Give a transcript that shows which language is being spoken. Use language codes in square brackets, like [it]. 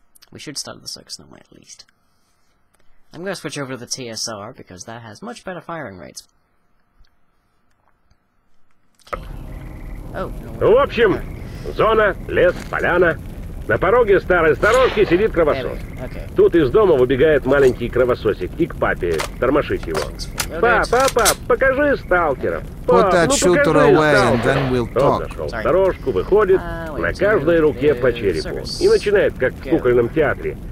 [en] We should start the circus somewhere at least. I'm gonna switch over to the TSR because that has much better firing rates. Okay. Oh, no. [ru] В общем, зона, лес, поляна. На пороге старой сторожки сидит кровосос. Тут из дома выбегает маленький кровососик и к папе тормошить его. Папа, покажи сталкеров. [en] Put that shooter away and then we'll talk. [ru] Зашел в сторожку, выходит, на каждой руке по черепу. И начинает, как в кукольном театре.